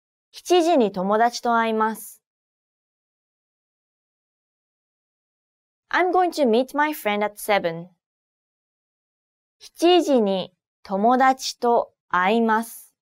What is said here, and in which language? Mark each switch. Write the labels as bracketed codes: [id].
[ja] 七時に友達と会います。 [en] I'm going to meet my friend at seven [ja] 七時に友達と会います。